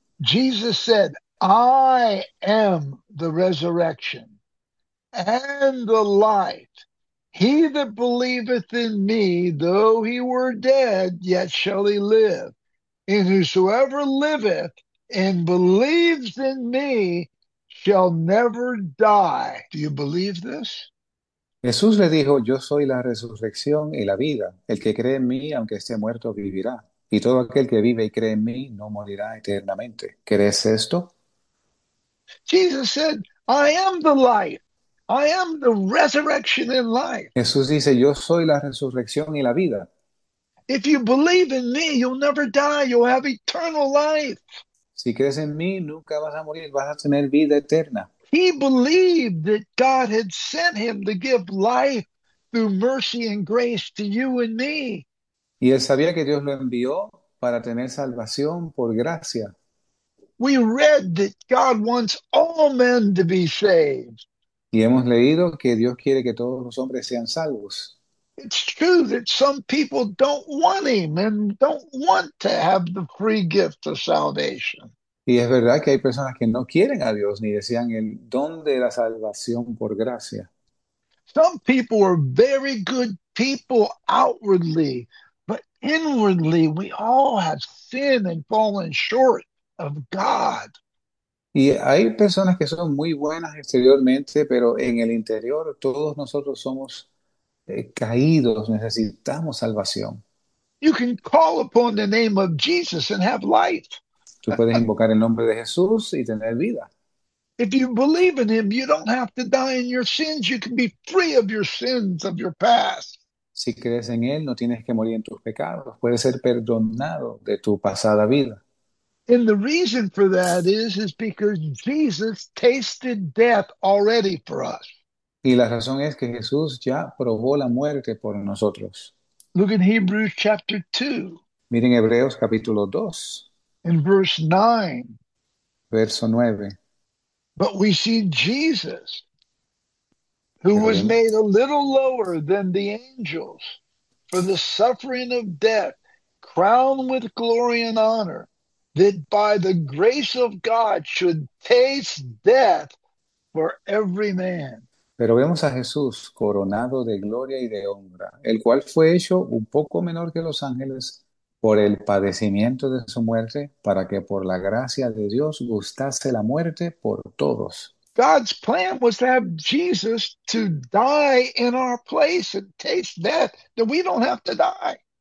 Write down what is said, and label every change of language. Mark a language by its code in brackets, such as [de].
[en] Jesus said, I am the resurrection and the light. He that believeth in me, though he were dead, yet shall he live. And whosoever liveth and believes in me shall never die. Do you believe this? [es] Jesús le dijo, yo soy la resurrección y la vida. El que cree en mí, aunque esté muerto, vivirá. Y todo aquel que vive y cree en mí, no morirá eternamente. ¿Crees esto? [en] Jesus said, I am the life. I am the resurrection and life. [es] Jesús dice, yo soy la resurrección y la vida. [en] If you believe in me, you'll never die. You'll have eternal life. [es] Si crees en mí, nunca vas a morir. Vas a tener vida eterna. [en] He believed that God had sent him to give life through mercy and grace to you and me. [es] Y él sabía que Dios lo envió para tener salvación por gracia. [en] We read that God wants all men to be saved. [es] Y hemos leído que Dios quiere que todos los hombres sean salvos. [en] It's true that some people don't want him and don't want to have the free gift of salvation. [es] Y es verdad que hay personas que no quieren a Dios ni desean el don de la salvación por gracia. [en] Some people are very good people outwardly, but inwardly we all have sinned and fallen short of God. [es] Y hay personas que son muy buenas exteriormente, pero en el interior todos nosotros somos caídos, necesitamos salvación. [en] You can call upon the name of Jesus and have life. [es] Tú puedes invocar el nombre de Jesús y tener vida. [en] If you believe in him, you don't have to die in your sins. You can be free of your sins, of your past. [es] Si crees en él, no tienes que morir en tus pecados. Puedes ser perdonado de tu pasada vida. [en] And the reason for that is because Jesus tasted death already for us. [es] Y la razón es que Jesús ya probó la muerte por nosotros. [en] Look in Hebrews chapter 2. [es] Miren Hebreos capítulo 2. [en] In verse 9, [es] verso 9, [en] but we see Jesus, who was made a little lower than the angels for the suffering of death, crowned with glory and honor, that by the grace of God should taste death for every man. [es] Pero vemos a Jesús coronado de gloria y de honra, el cual fue hecho un poco menor que los ángeles por el padecimiento de su muerte, para que por la gracia de Dios gustase la muerte por todos. [en] God's plan was to have Jesus to die in our place and taste death, that we don't have to die.